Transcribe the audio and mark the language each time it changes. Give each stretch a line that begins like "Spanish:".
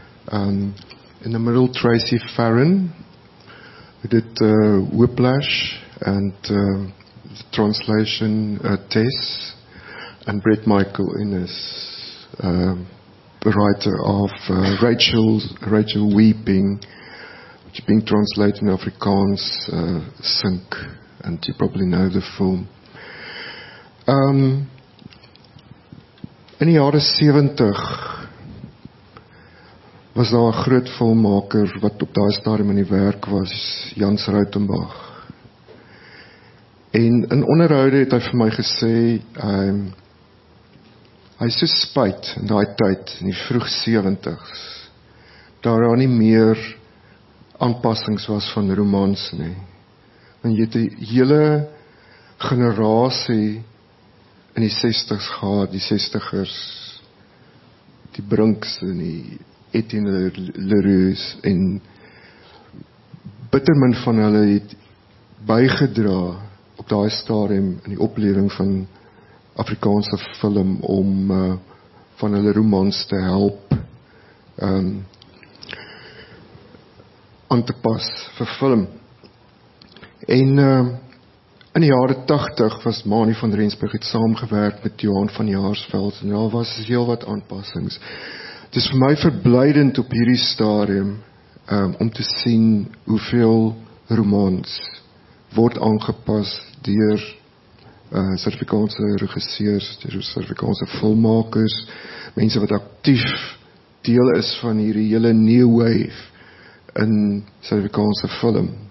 English: In the middle, Tracy Farron, who did Whiplash and the translation Tess, and Brett Michael Innes, the writer of Rachel Weeping, which is being translated in Afrikaans, Sink, and you probably know the film.
Afrikaans: In die jare 70 was daar 'n groot filmmaker wat op daai stadium in die werk was, Jans Rautenbach. En in onderhoude het hy vir my gesê, hy is so spyt in daai tyd, in die vroeg 70s, daar daar nie meer aanpassings was van romans nie. En jy het die hele generasie in die 60s gehad, die 60ers, die Brinks en die Etienne Leroux, en bittermin van hulle het bygedra op daai stadium in die oplewing van Afrikaanse film om van hulle romans te help aan te pas vir film. En in die jare 80 was Mani van Rensburg het saamgewerk met Johan van Jaarsveld en daar was heel wat aanpassings. Het is vir my verblydend op hierdie stadium om te sien hoeveel romans word aangepas deur Suid-Afrikaanse regisseurs, deur Suid-Afrikaanse filmmakers, mense wat aktief deel is van hierdie hele new wave in Suid-Afrikaanse film.